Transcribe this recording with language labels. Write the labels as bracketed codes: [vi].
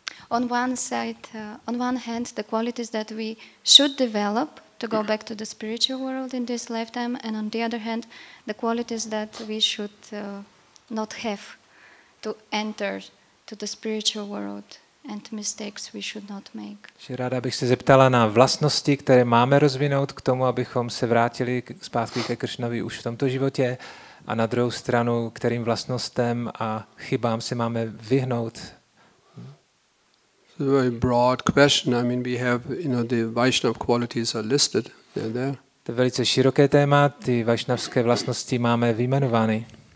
[en] On one hand, the qualities that we should develop to go back to the spiritual world in this lifetime, and on the other hand, the qualities that we should not have to enter to the spiritual world. And mistakes we should not make. [cs] Že ráda bych se zeptala na vlastnosti, které máme rozvinout k tomu, abychom se vrátili zpátky ke Krishnovi už v tomto životě, a na druhou stranu, kterým vlastnostem a chybám se máme vyhnout. [en] It's a very broad question. I mean, we have, you know, the Vaishnav qualities are listed. They're there. [cs] To je velice široké téma. Ty vaishnavské vlastnosti máme vyjmenovány.